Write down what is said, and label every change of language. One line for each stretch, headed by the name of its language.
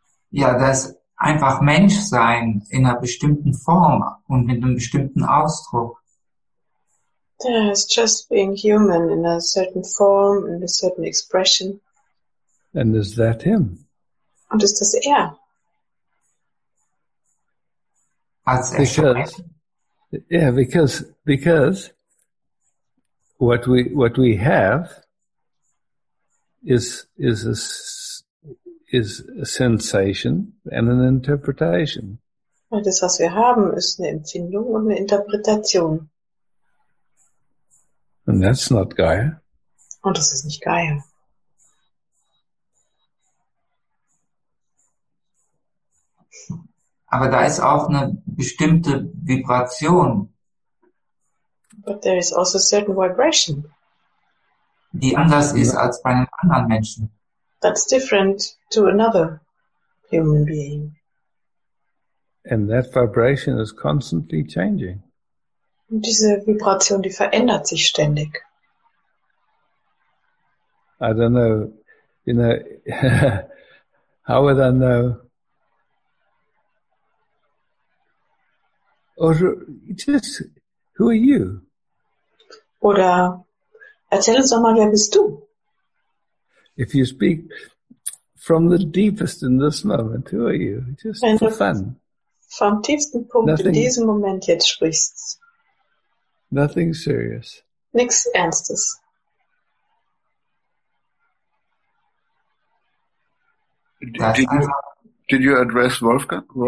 German: Ja, das einfach Menschsein in einer bestimmten Form und mit einem bestimmten Ausdruck.
English: It's just being human in a certain form and a certain expression. And is that him?
German: Und ist das er? Als er
English: because, yeah, because what we have is a sensation and an interpretation.
German: Das, was wir haben, ist eine Empfindung und eine Interpretation.
English: And that's not Gaia.
German: Und das ist nicht Gaia. Aber da ist auch eine bestimmte Vibration.
English: But there is also a certain vibration.
German: Die anders ist als bei einem anderen Menschen.
English: That's different to another human being. And that vibration is constantly changing.
German: Und diese Vibration, die verändert sich ständig.
English: I don't know, you know, how would I know? Or just, who are you?
German: Oder, erzähl uns doch mal, wer bist du?
English: If you speak from the deepest in this moment, who are you? Just
German: wenn
English: for fun.
German: Vom tiefsten Punkt nothing, in diesem Moment jetzt sprichst.
English: Nothing serious.
German: Nichts Ernstes.
English: Did you address Wolfgang?